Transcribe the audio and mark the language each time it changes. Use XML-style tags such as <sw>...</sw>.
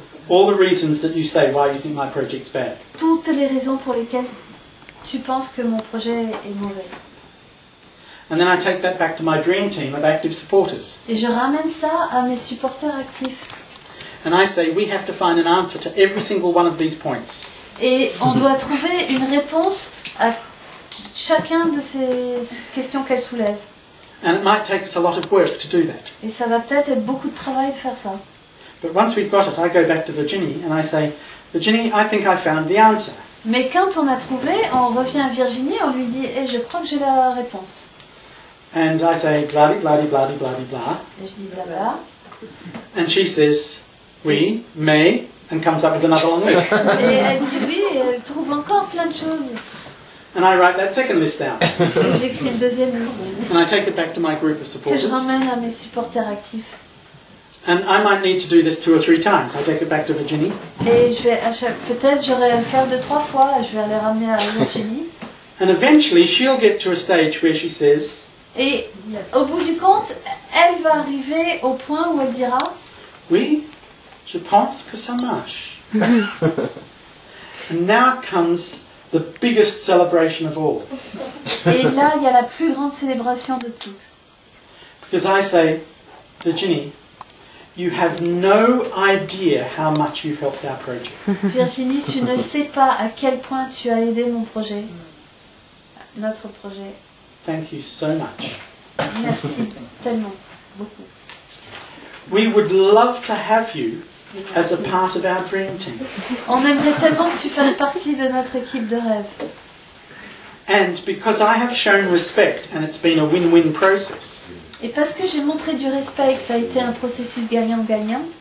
<en>All the reasons that you say why you think my project's bad.</en> <fr>Toutes les raisons pour lesquelles tu penses que mon projet est mauvais.</fr> <en>And then I take that back to my dream team of active supporters.</en> <fr>Et je ramène ça à mes supporters actifs.</fr> <en>And I say we have to find an answer to every single one of these points.</en> <fr>Et on doit trouver une réponse à chacun de ces questions qu'elle soulève.</fr> <en>And it might take us a lot of work to do that.</en> <fr>Et ça va peut-être être beaucoup de travail de faire ça.</fr> <en>But once we've got it, I go back to Virginie and I say, Virginie, I think I found the answer.</en> <fr>Mais quand on a trouvé, on revient à Virginie, on lui dit, hey, je crois que j'ai la réponse.</fr> <en>And I say, blah, blah, blah, blah, blah, blah.</en> <fr>Et je dis blah, blah.</fr> <en>And she says,</en> <fr>oui, mais,</fr> <en>and comes up with another long list.</en> <fr>Et elle dit oui, et elle trouve encore plein de choses.</fr> <en>And I write that second list down.</en> <fr>J'écris une deuxième liste.</fr> <en>And I take it back to my group of supporters.</en> <fr>Que je ramène à mes supporters actifs.</fr> <en>And I might need to do this two or three times. I take it back to Virginie.</en> <fr>Et je vais peut-être j'aurai à le faire deux trois fois. Je vais aller ramener à Virginie.</fr> <en>And eventually she'll get to a stage where she says.</en> <fr>Et au bout du compte, elle va arriver au point où elle dira. Oui, je pense que ça marche.</fr> <en>And now comes. The biggest celebration of all.</en> <fr>Et là, il y a la plus grande célébration de toutes.</fr> <en>Because I say, Virginie, you have no idea how much you've helped our project.</en> <fr>Virginie, tu ne sais pas à quel point tu as aidé mon projet, notre projet.</fr> <en>Thank you so much.</en> <fr>Merci tellement, beaucoup.</fr> <en>We would love to have you. As a part of our dream team.</en> <fr>On aimerait tellement que tu fasses partie de notre équipe de rêve.</fr> <en>And because I have shown respect and it's been a win-win process.</en> <fr>Et parce que j'ai montré du respect et que ça a été un processus gagnant-gagnant.</fr>